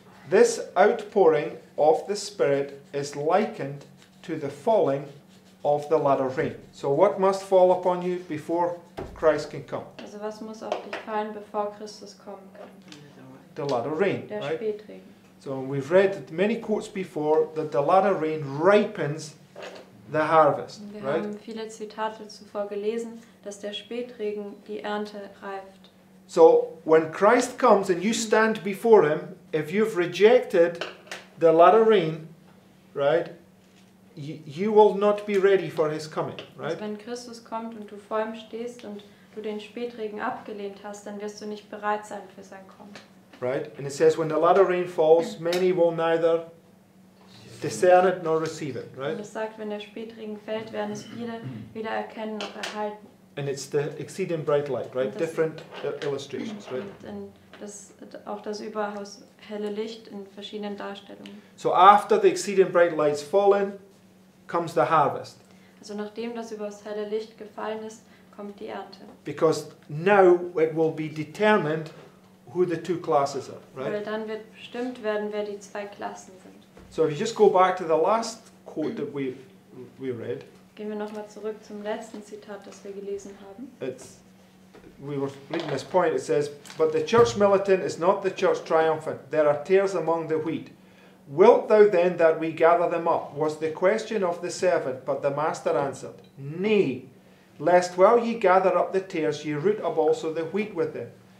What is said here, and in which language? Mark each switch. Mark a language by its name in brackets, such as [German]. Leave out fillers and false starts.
[English] This outpouring of the Spirit is likened to the falling of the latter rain. So what must fall upon you before Christ can come? [German] Also was muss auf dich fallen, bevor Christus kommen kann? [English] The latter rain, [German] der [English] right? [German] Spätregen. [English] So we've read many quotes before that the latter rain ripens the harvest, [German] wir [English] right? [German] Wir haben viele Zitate zuvor gelesen, dass der Spätregen die Ernte reift. [English] So when Christ comes and you stand before him, if you've rejected the latter rain, right? You will not be ready for his coming, right? [German] Wenn Christus kommt und du vor ihm stehst und du den Spätregen abgelehnt hast, dann wirst du nicht bereit sein für sein Kommen. [English] Right? And it says, when the latter rain falls, many will neither discern it nor receive it, right? [German] Und es sagt, wenn der Spätregen fällt, werden es viele weder erkennen noch erhalten. [English] And it's the exceeding bright light, right? Different illustrations, right? [German] Und das, auch das Überhaus helle Licht in verschiedenen Darstellungen. [English] So after the exceeding bright light's fallen, comes the harvest. [German] Also nachdem das Überhaus helle Licht gefallen ist, kommt die Ernte. [English] Because now it will be determined who the two classes are, right? [German] Weil dann wird bestimmt werden, wer die zwei Klassen sind. [English] So if you just go back to the last quote that we read. [German] Gehen wir nochmal zurück zum letzten Zitat, das wir gelesen haben. [English] It's, we were reading this point, it says, but the church militant is not the church triumphant. There are tares among the wheat. Wilt thou then that we gather them up? Was the question of the servant, but the master answered, nay, lest while ye gather up the tares, ye root up also the wheat with them.